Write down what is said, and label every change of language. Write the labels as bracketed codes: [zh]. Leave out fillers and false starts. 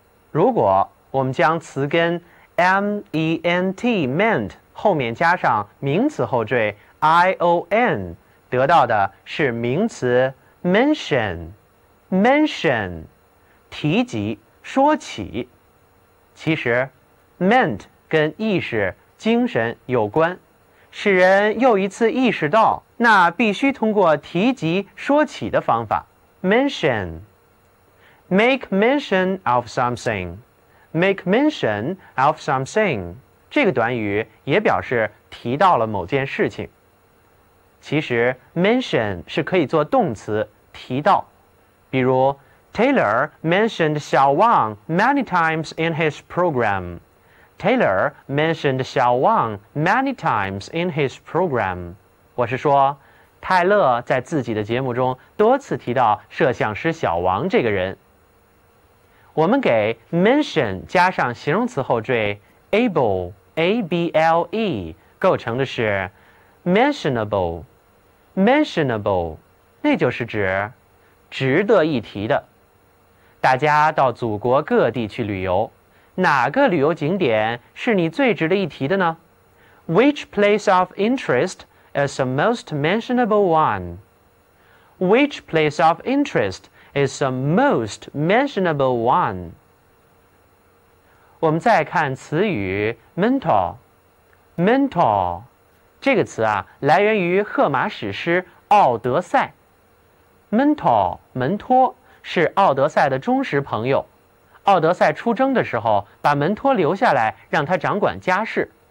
[zh] 如果我们将词根 ment ment 后面加上名词后缀 ion， 得到的是名词 mention mention， 提及、说起。其实 ment 跟意识、精神有关，使人又一次意识到，那必须通过提及、说起的方法。 [en] Mention, make mention of something, make mention of something， [zh] 这个短语也表示提到了某件事情。 [en] 其实 mention 是可以做动词，提到，比如 Taylor mentioned 小旺 many times in his program. Taylor mentioned 小旺 many times in his program. [zh] 我是说泰勒在自己的节目中多次提到摄像师小王这个人。我们给 mention 加上形容词后缀 able A-B-L-E 构成的是 mentionable mentionable， 那就是指值得一提的。大家到祖国各地去旅游，哪个旅游景点是你最值得一提的呢？ [en] Which place of interestis the most mentionable one. Which place of interest is the most mentionable one? [zh] 我们再看词语 mental. Mental 这个词啊，来源于荷马史诗《奥德赛》。 Mental 门托是奥德赛的忠实朋友。奥德赛出征的时候，把门托留下来，让他掌管家事。